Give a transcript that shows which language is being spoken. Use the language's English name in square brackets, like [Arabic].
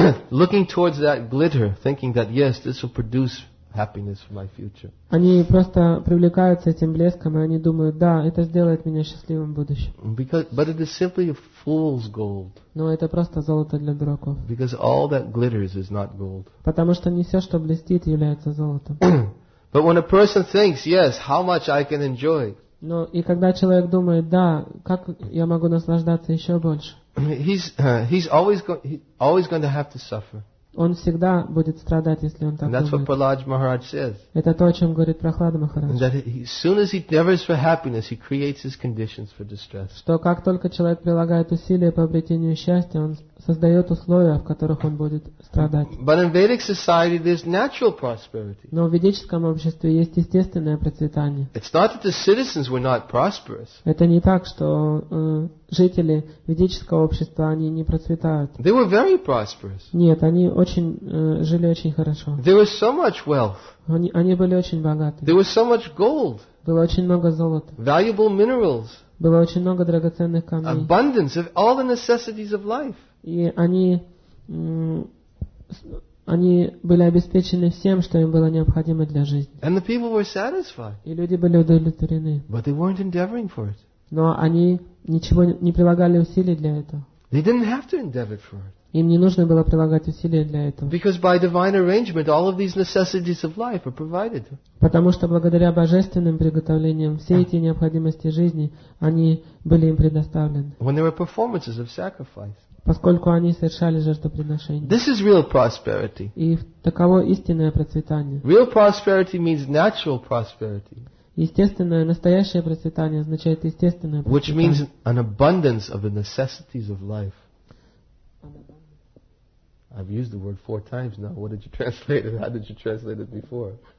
[English] looking towards that glitter, thinking that yes, this will produce happiness for my future. [Russian] Они просто привлекаются этим блеском, и они думают, да, это сделает меня счастливым в будущем. [English] But it is simply a fool's gold. [Russian] Но это просто золото для дураков. [English] Because all that glitters is not gold. [Russian] Потому что не все, что блестит, является золотом. [English] But when a person thinks, yes, how much I can enjoy. [Russian] Но и когда человек думает, да, как я могу наслаждаться еще больше. [English] He's always going to have to suffer. [Russian] Он всегда будет страдать, если он так думает. [English] That's what Prahlad Maharaj says. [Russian] Это то, о чем говорит Прохлада Махарадж. [English] That as soon as he endeavors for happiness, he creates his conditions for distress. [Russian] Что как только человек прилагает усилия по обретению счастья, он создает условия, в которых он будет страдать. [English] But in Vedic society, there's natural prosperity. [Russian] Но в ведическом обществе есть естественное процветание. [English] It's not that the citizens were not prosperous. [Russian] Это не так, что жители ведического общества они не процветают. [English] They were very prosperous. [Russian] Нет, они очень жили очень хорошо. [English] There was so much wealth. [Russian] Они были очень богаты. [English] There was so much gold. [Russian] Было очень много золота. [English] Valuable minerals. [Russian] Было очень много драгоценных камней. [English] Abundance of all the necessities of life. [Russian] И они были обеспечены всем, что им было необходимо для жизни. [English] And the people were satisfied. [Russian] И люди были удовлетворены. [English] But they weren't endeavoring for it. [Russian] Но они ничего не прилагали усилий для этого. [English] They didn't have to endeavor for it. [Russian] Им не нужно было прилагать усилия для этого. [English] Because by divine arrangement, all of these necessities of life are provided. [Russian] Потому что благодаря божественным приготовлениям все эти необходимости жизни они были им предоставлены. [English] When there were performances of sacrifice. [Russian] Поскольку они совершали жертвоприношение. [English] This is real prosperity. [Russian] И таково истинное процветание. [English] Real prosperity means natural prosperity. [Russian] Естественное, настоящее процветание означает естественное [English] which [Russian] процветание. [English] Means an abundance of the necessities of life. I've used the word four times now. What did you translate it? How did you translate it before?